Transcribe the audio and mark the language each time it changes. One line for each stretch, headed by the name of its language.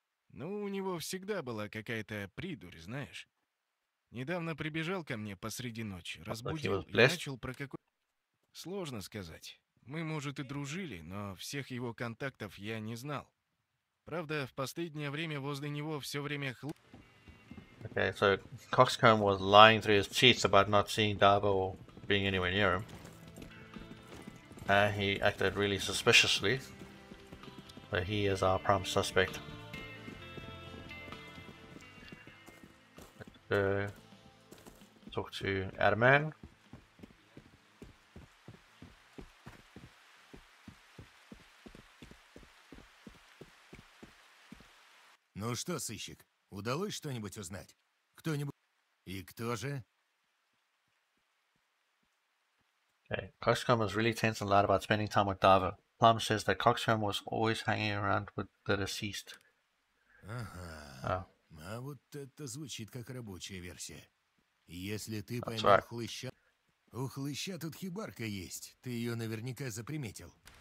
Russian: Ну, у него всегда была какая-то придурь, знаешь. Недавно прибежал ко мне посреди ночи, разбудил и начал про какой... Сложно сказать. Мы, может, и дружили, но всех его контактов я не знал. Правда, в последнее время возле него все время
English: Okay, so Coxcomb was lying through his teeth about not seeing Darbo or being anywhere near him. And he acted really suspiciously. But he is our prime suspect. Let's go talk to Adaman.
Russian: Ну что, сыщик, удалось что-нибудь узнать? Кто-нибудь... И кто же?
English: Okay. Coxcomb was really tense and loud about spending time with Darvo. Plum says that Coxcomb was always hanging around with the deceased.
Russian: Ага. А вот это звучит как рабочая версия. Если ты поймал хлыща... У хлыща тут хибарка есть. Ты ее наверняка заприметил.